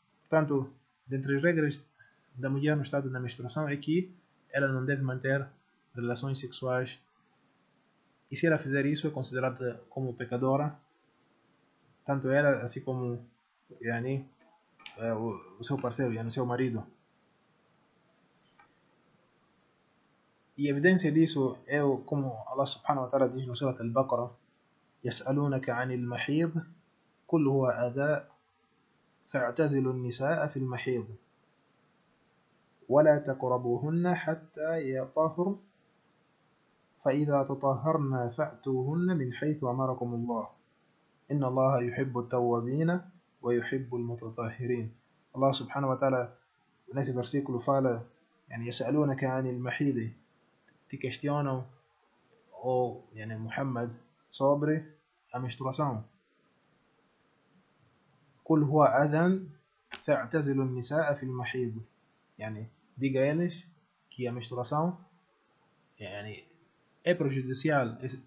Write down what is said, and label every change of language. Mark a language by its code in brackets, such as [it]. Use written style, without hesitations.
[pt] Portanto, dentre as regras da mulher no estado da menstruação é que ela não deve manter relações sexuais. E se ela fizer isso, é considerada como pecadora, tanto ela, assim como yani, o seu parceiro, yani, o seu marido. E a evidência disso é como Allah subhanahu wa ta'ala diz no surat al-Baqarah: [ar] يَسْأَلُونَكَ عَنِ الْمَحِيضِ قُلْ هُوَ أَذًى فَاعْتَزِلُوا النِّسَاءَ فِي الْمَحِيضِ وَلَا تَقْرَبُوهُنَّ حَتَّى يَطَهُرْنَ فَإِذَا تَطَهَّرْنَا فَأْتُوهُنَّ مِنْ حَيْثُ أَمَرَكُمُ اللَّهُ إِنَّ اللَّهَ يُحِبُّ التَّوَّابِينَ وَيُحِبُّ الْمُتَطَهِّرِينَ. [pt] Allah subhanahu wa ta'ala nesse versículo fala, yani, [ar] يَسْأَلُونَكَ عَنِ الْمَحِيضِ, [pt] te questionam, ou yani, Muhammad, sobre a menstruação. [ar] قُلْ هُوَ أَذًى فَاعْتَزِلُوا النِّسَاءَ فِي الْمَحِيضِ, [pt] yani, diga a eles que a menstruação, yani, é prejudicial.